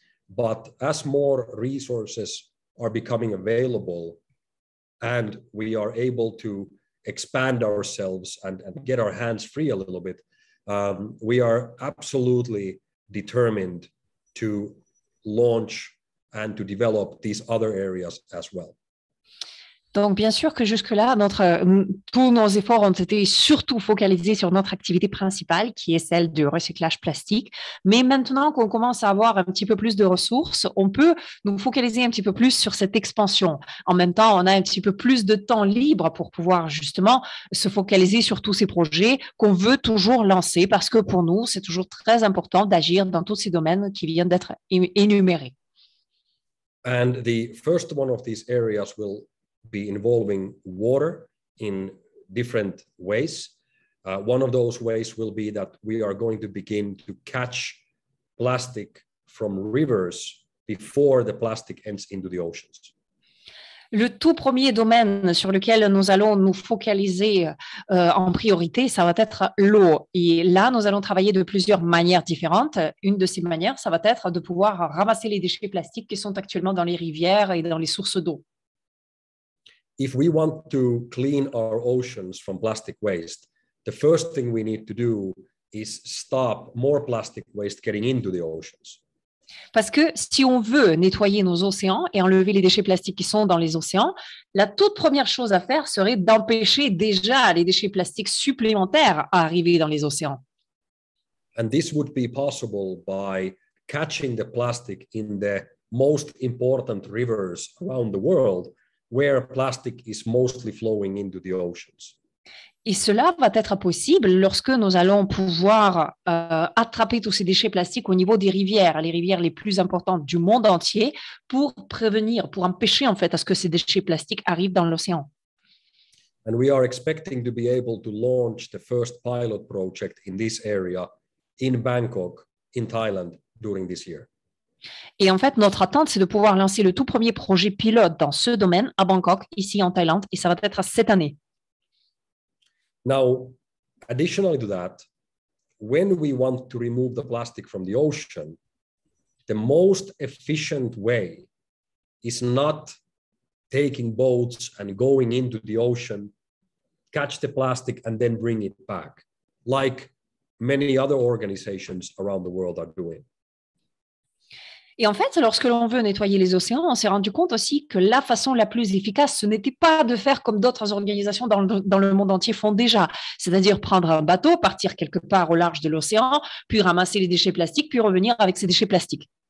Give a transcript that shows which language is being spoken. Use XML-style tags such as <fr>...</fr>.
<en>But as more resources are becoming available and we are able to expand ourselves and get our hands free a little bit, we are absolutely determined to launch and to develop these other areas as well.</en> <fr>Donc, bien sûr que jusque-là, tous nos efforts ont été surtout focalisés sur notre activité principale, qui est celle du recyclage plastique. Mais maintenant qu'on commence à avoir un petit peu plus de ressources, on peut nous focaliser un petit peu plus sur cette expansion. En même temps, on a un petit peu plus de temps libre pour pouvoir justement se focaliser sur tous ces projets qu'on veut toujours lancer, parce que pour nous, c'est toujours très important d'agir dans tous ces domaines qui viennent d'être énumérés.</fr> <en>And the first one of these areas will be involving water in different ways. One of those ways will be that we are going to begin to catch plastic from rivers before the plastic ends into the oceans.</en> <fr>Le tout premier domaine sur lequel nous allons nous focaliser en priorité, ça va être l'eau. Et là, nous allons travailler de plusieurs manières différentes. Une de ces manières, ça va être de pouvoir ramasser les déchets plastiques qui sont actuellement dans les rivières et dans les sources d'eau.</fr> <en>If we want to clean our oceans from plastic waste, the first thing we need to do is stop more plastic waste getting into the oceans.</en> <fr>Parce que si on veut nettoyer nos océans et enlever les déchets plastiques qui sont dans les océans, la toute première chose à faire serait d'empêcher déjà les déchets plastiques supplémentaires à arriver dans les océans.</fr> <en>And this would be possible by catching the plastic in the most important rivers around the world, where plastic is mostly flowing into the oceans.</en> <fr>Et cela va être possible lorsque nous allons pouvoir attraper tous ces déchets plastiques au niveau des rivières, les rivières les plus importantes du monde entier, pour prévenir, pour empêcher en fait à ce que ces déchets plastiques arrivent dans l'océan.</fr> <en>And we are expecting to be able to launch the first pilot project in this area in Bangkok, in Thailand, during this year.</en> <fr>Et en fait, notre attente, c'est de pouvoir lancer le tout premier projet pilote dans ce domaine à Bangkok, ici en Thaïlande, et ça va être cette année.</fr> <en>Now, additionally to that, when we want to remove the plastic from the ocean, the most efficient way is not taking boats and going into the ocean, catch the plastic and then bring it back, like many other organizations around the world are doing.</en> <fr>Et en fait, lorsque l'on veut nettoyer les océans, on s'est rendu compte aussi que la façon la plus efficace, ce n'était pas de faire comme d'autres organisations dans le monde entier font déjà, c'est-à-dire prendre un bateau, partir quelque part au large de l'océan, puis ramasser les déchets plastiques, puis revenir avec ces déchets plastiques.</fr>